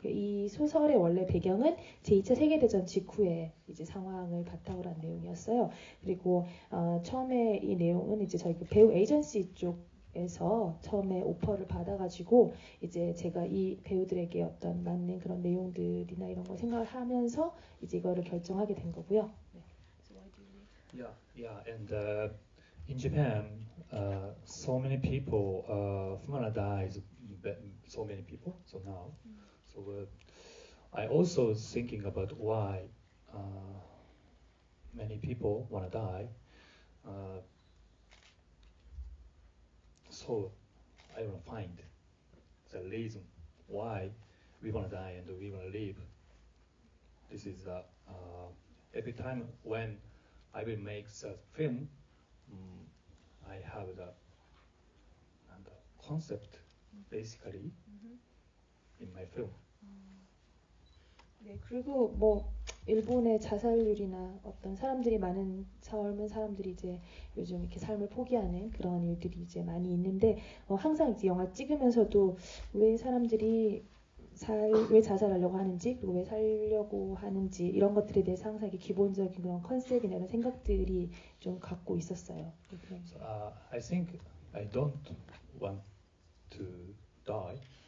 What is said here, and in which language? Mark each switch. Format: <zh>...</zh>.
<ko>이 소설의 원래 배경은 제2차 세계대전 직후의 이제 상황을 바탕으로 한 내용이었어요. 그리고 처음에 이 내용은 이제 저희 배우 에이전시 쪽. 에서 처음에 오퍼를 받아가지고 이제 제가 이 배우들에게 어떤 맞는 그런 내용들이나 이런 걸 생각하면서 이제 이거를 결정하게 된 거고요. 네.</ko> <en>And in Japan, so many people, Fumarada is so many people. So now, so I also thinking about why many people wanna die. So I want to find the reason why we want to die and we want to live. This is every time when I will make the film, I have the concept basically in my film.</en> <ko>네, 그리고 뭐 일본의 자살률이나 어떤 사람들이 많은 삶은 사람들이 이제 요즘 이렇게 삶을 포기하는 그런 일들이 이제 많이 있는데 항상 이제 영화 찍으면서도 왜 사람들이 왜 자살하려고 하는지 그리고 왜 살려고 하는지 이런 것들에 대해서 항상 기본적인 그런 컨셉이나 이런 생각들이 좀 갖고 있었어요.</ko> <en>So, I think I don't want to die.</en>